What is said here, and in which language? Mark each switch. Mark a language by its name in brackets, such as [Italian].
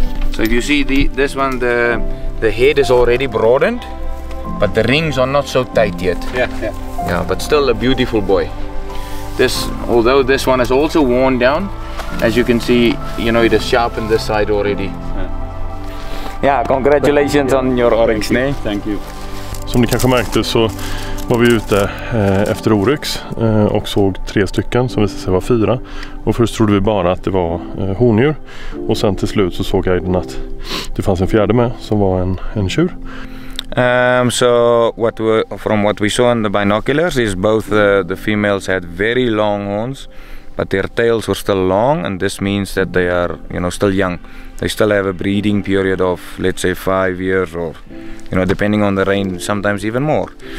[English] So if you see this one, the head is already broadened, but the rings are not so tight yet. Yeah. Yeah, but still a beautiful boy. This, although this one is also worn down, as you can see, you know, it has sharpened this side already. Yeah, congratulations on your oryx, thank you. Thank you. [Swedish] Som ni kanske märkte så var vi ute efter oryx och såg tre stycken som visade sig vara fyra. Och först trodde vi bara att det var hondjur. Och sen till slut så såg jag att det fanns en fjärde med som var en tjur. [English] So what we, from what we saw in the binoculars is both the females had very long horns, but their tails were still long, and this means that they are, you know, still young. They still have a breeding period of, let's say, 5 years, or, you know, depending on the rain, sometimes even more.